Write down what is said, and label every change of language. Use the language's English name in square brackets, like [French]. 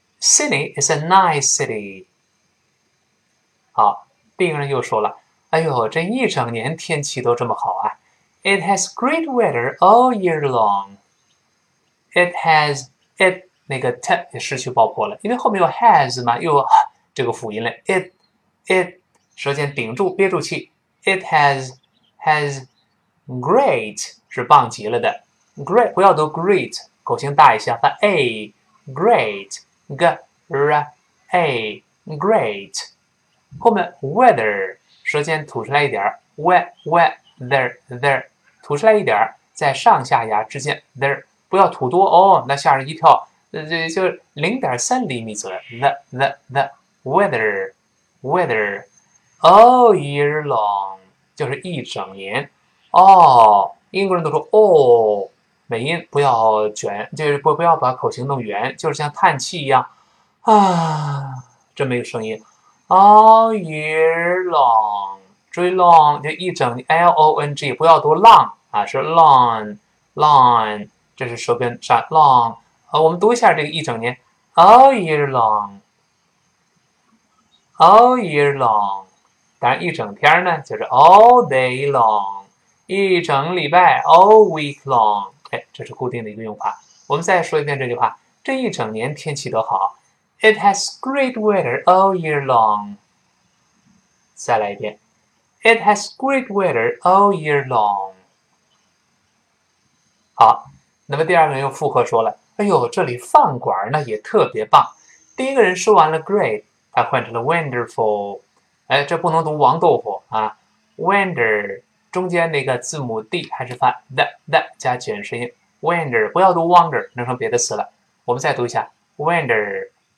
[English] Sydney is a nice city。 [Chinese] 好，另一个人又说了：“哎呦，这一整年天气都这么好啊！” [English] It has great weather all year long. [Chinese] It has it 那个 t 也失去爆破了，因为后面有 has 嘛，又有这个辅音了。 It 舌尖顶住憋住气。 It has great 是棒极了的。 Great 不要读 great，口型大一些，发 a great g。 A great，后面 weather 舌尖吐出来一点儿，weather 吐出来一点儿，在上下牙之间 there 不要吐多哦，那吓人一跳，就0.3厘米左右 the weather all year long 就是一整年哦，英国人都说哦，美音不要卷，就是不要把口型弄圆，就是像叹气一样。啊，这么一个声音，all year long，追 long 就一整 long，不要读 long 啊，是 long，这是舌根上 long，我们读一下这个一整年，all year long，all year long，当然一整天呢就是 all day long，一整礼拜 all week long，哎，这是固定的一个用法。我们再说一遍这句话，这一整年天气都好。 [English] It has great weather all year long. [Chinese] 再来一遍。 [English] It has great weather all year long. [Chinese] 好，那么第二个人又附和说了：“哎呦，这里饭馆呢也特别棒。 ”第一个人说完了 great，他换成了 wonderful。哎，这不能读王豆腐啊，wonder 中间那个字母 d 还是发 the 加卷舌音，wonder 不要读 wonder，弄成别的词了。我们再读一下 wonder。